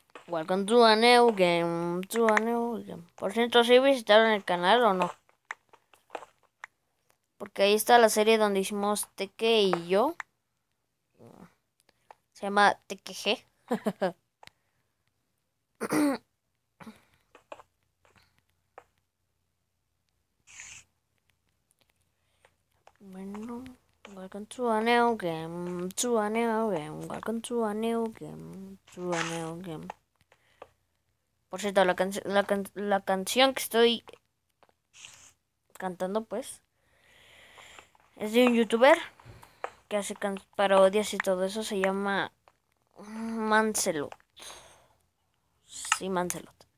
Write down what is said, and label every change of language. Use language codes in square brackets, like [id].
[en] Welcome to a new game, to a new game. [es] Por cierto, ¿sí visitaron el canal o no? Porque ahí está la serie donde hicimos Teke y yo. Se llama Teke G. Bueno, welcome to a new game, to a new game, welcome to a new game, to a new game. Por cierto, la canción que estoy cantando, pues, es de un youtuber que hace parodias y todo eso. Se llama Mancelot. Sí, Mancelot.